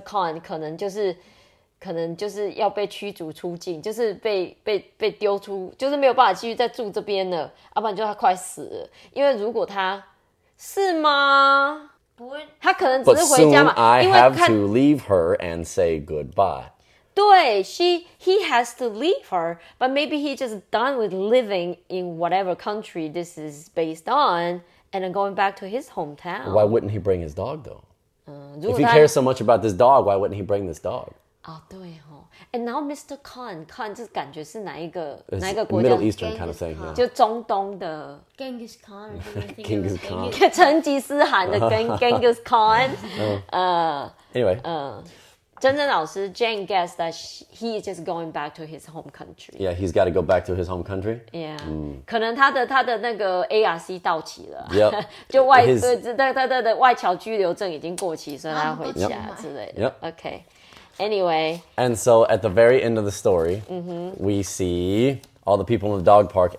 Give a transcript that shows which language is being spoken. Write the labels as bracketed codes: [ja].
[zh] Khan 可能就是要被驱逐出境，就是被丢出，就是没有办法继续再住这边了，要不然就他快死了。因为如果他是吗？不会，他可能只是回家嘛。 [en] I have to leave her and say goodbye. [zh] 对 [en] ，he has to leave her, but maybe he just done with living in whatever country this is based on, and going back to his hometown. Why wouldn't he bring his dog though? If he cares so much about this dog, why wouldn't he bring this dog? [zh] 对哦 ， [en] and now [zh] Mr. Khan 这感觉是哪一个国家 [en] ？Middle Eastern kind of thing， [zh] 就中东的 [en] Genghis Khan， Genghis Khan， [zh] 成吉思汗的 Genghis Khan， [en] Anyway， [zh] 真正老师 [en] Jane guessed that he is just going back to his home country. Yeah, he's got to go back to his home country. Yeah， [zh] 可能他的那个 ARC 到期了 [en] ，Yep， [zh] 就外对他的外侨居留证已经过期，所以他要回家之类的。 [en] Yep， OK。 Anyway. And so at the very end of the story, mm-hmm. we see all the people in the dog park.